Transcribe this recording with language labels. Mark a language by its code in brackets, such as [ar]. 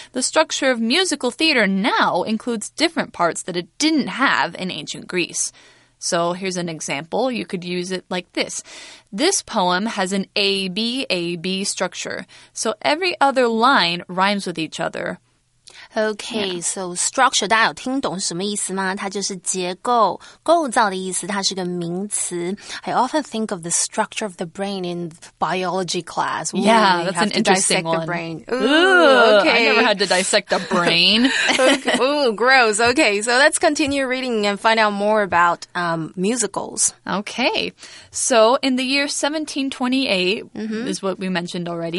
[en] The structure of musical theater now includes different parts that it didn't have in ancient Greece. So here's an example. You could use it like this. This poem has an A-B-A-B structure. So every other line rhymes with each other. [zh] Okay,、yeah. so structure, 大家有听懂什么意思吗？它就是结构、构造的意思，它是个名词。 [en] I often think of the structure of the brain in biology class. Ooh, yeah, that's an interesting one. Brain. Ooh, okay. I never had to dissect a brain. Ooh, gross. Okay, so let's continue reading and find out more about、musicals. Okay, so in the year 1728,、is what we mentioned already.